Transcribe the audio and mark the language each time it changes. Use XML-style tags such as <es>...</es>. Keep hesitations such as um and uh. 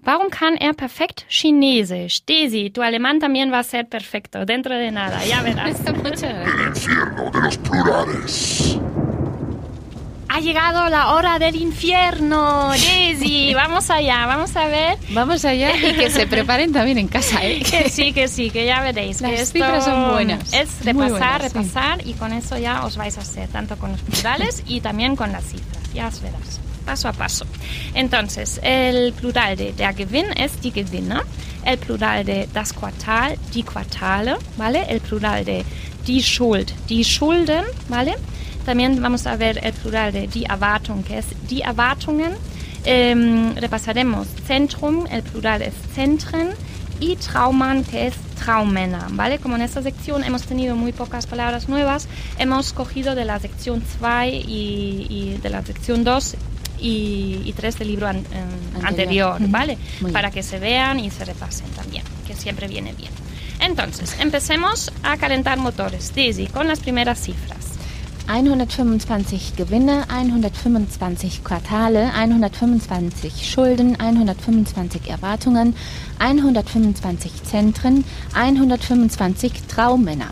<de>Warum kann er perfekt Chinesisch?</de> <es>Daisy, tu alemán también va a ser perfecto dentro de nada. Ya verás. el infierno de los plurales. ¡Ha llegado la hora del infierno, Daisy. Vamos allá, vamos a ver. Vamos allá y que se preparen también en casa, ¿eh? que sí, que sí, que ya veréis. Que las esto cifras son buenas. Es repasar, buenas, repasar sí. y con eso ya os vais a hacer, tanto con los plurales y también con las cifras. Ya os verás, paso a paso. Entonces, el plural de der Gewinn es die Gewinne. ¿no? El plural de das Quartal, die Quartale, ¿vale? El plural de die Schuld, die Schulden, ¿vale? vale también vamos a ver el plural de die Erwartung, que es die Erwartungen. Eh, repasaremos Zentrum, el plural es Zentren, y Trauman, que es Traumena, ¿vale? Como en esta sección hemos tenido muy pocas palabras nuevas, hemos cogido de la sección 2 y, y, de la sección 2 y 3 del libro an an anterior. ¿vale? Muy Para que se vean y se repasen también, que siempre viene bien. Entonces, empecemos a calentar motores, Daisy, con las primeras cifras.</es> <de>125 Gewinne, 125 Quartale, 125 Schulden, 125 Erwartungen, 125 Zentren, 125 Traummänner.</de>